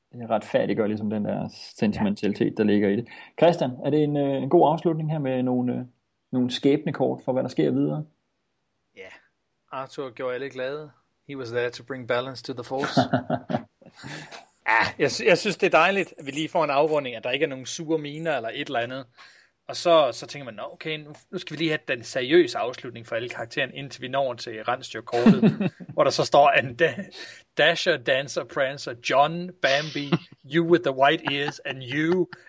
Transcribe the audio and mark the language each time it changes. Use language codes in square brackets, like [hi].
[da] Det er retfærdiggør ligesom den der sentimentalitet, der ligger i det. Christian, er det en god afslutning her med nogle skæbnekort for, hvad der sker videre? Ja, Arthur gjorde alle glade. [en] He was there to bring balance to the force. [da] jeg synes, det er dejligt, at vi lige får en afrunding, at der ikke er nogen sure miner eller et eller andet. Og så tænker man, okay, nu skal vi lige have den seriøse afslutning for alle karakteren, indtil vi når til Rensdyrkortet, hvor der så står en Dasher, Dancer, Prancer, John, Bambi, [en] you with the white ears, and you.